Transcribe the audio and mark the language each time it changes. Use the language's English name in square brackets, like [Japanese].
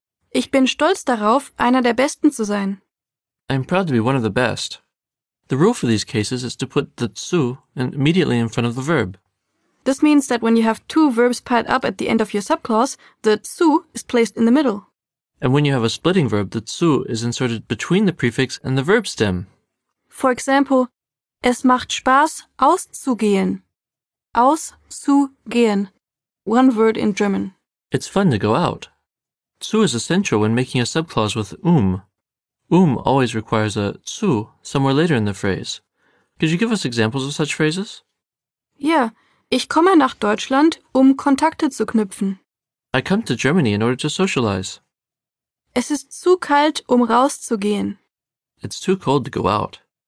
[German] Ich bin stolz darauf, einer der Besten zu sein. [English] I'm proud to be one of the best. The rule for these cases is to put the zu immediately in front of the verb. This means that when you have two verbs piled up at the end of your subclause, the zu is placed in the middle. And when you have a splitting verb, the zu is inserted between the prefix and the verb stem. For example, [German] es macht Spaß, auszugehen. [English] Auszugehen. One word in German. It's fun to go out. Zu is essential when making a subclause with always requires a zu somewhere later in the phrase. Could you give us examples of such phrases? Yeah. [German] Ich komme nach Deutschland, Kontakte zu knüpfen. [English] I come to Germany in order to socialize. [German] Es ist zu kalt, rauszugehen. [English] It's too cold to go out.